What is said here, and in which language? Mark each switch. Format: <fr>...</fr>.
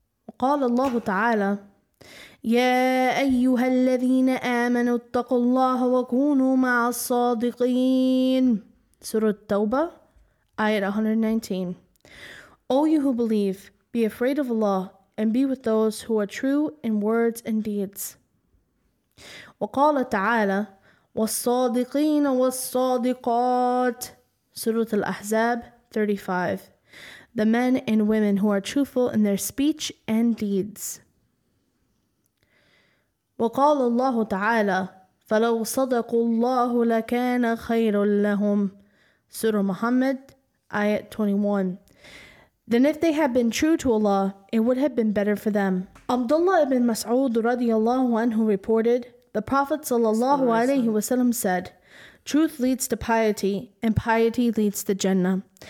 <ar>وقال الله تعالى يا أيها الذين آمنوا اتقوا الله وكونوا مع الصادقين.</ar> <en>Surah At-Tawbah, ayat 119. O you who believe, be afraid of Allah and be with those who are true in words and deeds.</en> <ar>وقال تعالى والصادقين والصادقات.</ar> <en>Surah Al-Ahzab 35. The men and women who are truthful in their speech and deeds.</en> <ar>وقال الله تعالى فلو صدقوا الله لكان خير لهم.</ar> <en>Surah Muhammad ayat 21. Then if they had been true to Allah, it would have been better for them. Abdullah ibn Mas'ud radiallahu anhu reported, the Prophet sallallahu alayhi wasallam said, truth leads to piety, and piety leads to Jannah.</en>